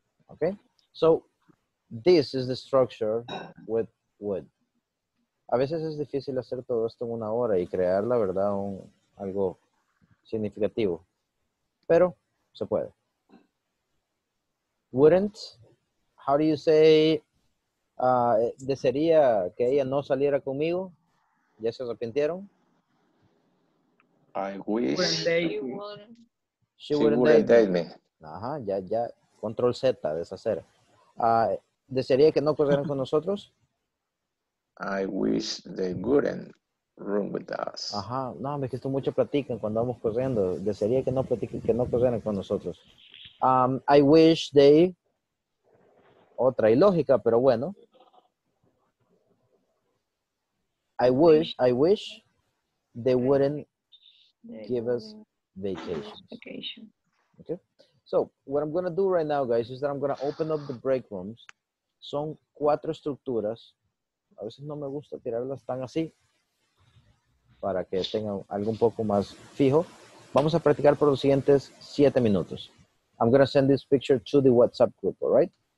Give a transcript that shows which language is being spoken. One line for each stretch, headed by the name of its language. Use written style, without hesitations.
English: Okay, so this is the structure with would.
Spanish: A veces es difícil hacer todo esto en una hora y crear, la verdad, algo significativo. Pero se puede.
English: Wouldn't, how do you say,
Spanish: desearía que ella no saliera conmigo? ¿Ya se arrepintieron?
English: I wish she wouldn't date me.
Spanish: Ajá, ya. Control Z, deshacer. ¿Desearía que no corrieran con nosotros?
English: I wish they wouldn't run with us.
Spanish: Ajá, no, me gustó mucho platican cuando vamos corriendo. Desearía que no platiquen, que no corrieran con nosotros.
English: I wish they.
Spanish: Otra ilógica, pero bueno.
English: I wish they wouldn't give us vacations. Okay. So, what I'm going to do right now, guys, is that I'm going to open up the break rooms.
Spanish: Son 4 estructuras. A veces no me gusta tirarlas tan así para que tengan algo un poco más fijo. Vamos a practicar por los siguientes 7 minutos.
English: I'm going to send this picture to the WhatsApp group, all right?